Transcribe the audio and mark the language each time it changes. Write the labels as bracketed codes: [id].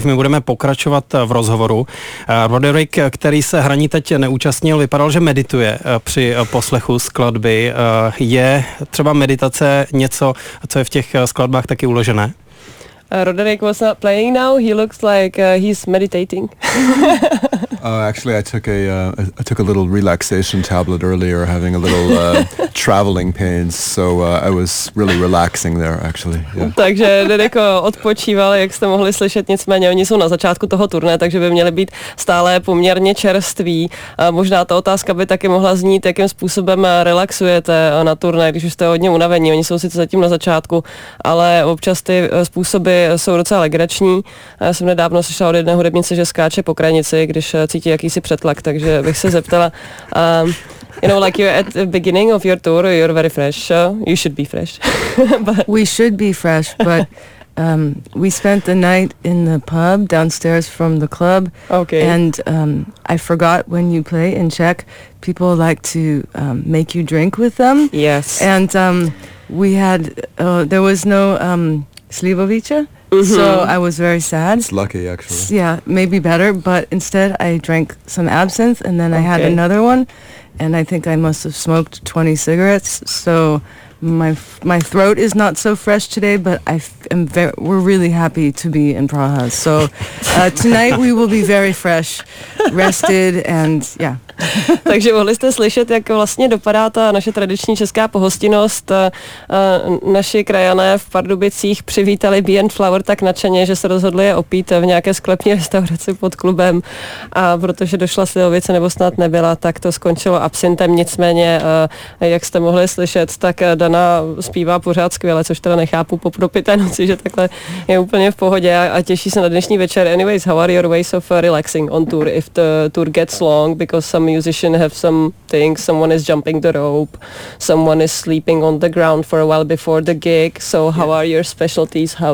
[cs] My budeme pokračovat v rozhovoru. Roderick, který se hraní teď neúčastnil, vypadal, že medituje při poslechu skladby. Je třeba meditace něco, co je v těch skladbách taky uložené? [en] Roderick was not playing now. He looks like he's meditating. Actually, I took a little relaxation tablet earlier, having a little traveling pains, so I was really relaxing there, actually. Yeah. [cs] Takže Roderick odpočíval, jak jste mohli slyšet, nicméně oni jsou na začátku toho turné, takže by měli být stále poměrně čerství. Možná ta otázka by taky mohla znít, jakým způsobem relaxujete na turné, když už jste hodně unavení. Oni jsou sice zatím na začátku, ale občas ty způsoby jsou docela legrační. Já jsem nedávno slyšela od jedné hudebnice, že skáče po krajnici, když cítí jakýsi přetlak, takže bych se zeptala. [en] You know, like you're at the beginning of your tour, you're very fresh, so you should be fresh. But we should be fresh, but we spent the night in the pub downstairs from the club. Okay. And I forgot when you play in Czech, people like to make you drink with them. Yes. And we had, there was no Slivovice. Mm-hmm. So I was very sad. It's lucky, actually. Yeah, maybe better, but instead I drank some absinthe and then I had another one and I think I must have smoked 20 cigarettes. So my throat is not so fresh today, but we're really happy to be in Praha. So tonight we will be very fresh, rested and yeah. [cs] Takže mohli jste slyšet, jak vlastně dopadá ta naše tradiční česká pohostinnost. Naši krajané v Pardubicích přivítali Be and Flower tak nadšeně, že se rozhodli je opít v nějaké sklepní restauraci pod klubem. A protože došla slivovice nebo snad nebyla, tak to skončilo absintem. Nicméně, jak jste mohli slyšet, tak Dana zpívá pořád skvěle, což teda nechápu po propité noci, že takhle je úplně v pohodě a těší se na dnešní večer. [en] Anyways, how are your ways of relaxing on tour if the tour gets long, because some musician have some things, someone is jumping the rope, someone is sleeping on the ground for a while before the gig, so how are your specialties, how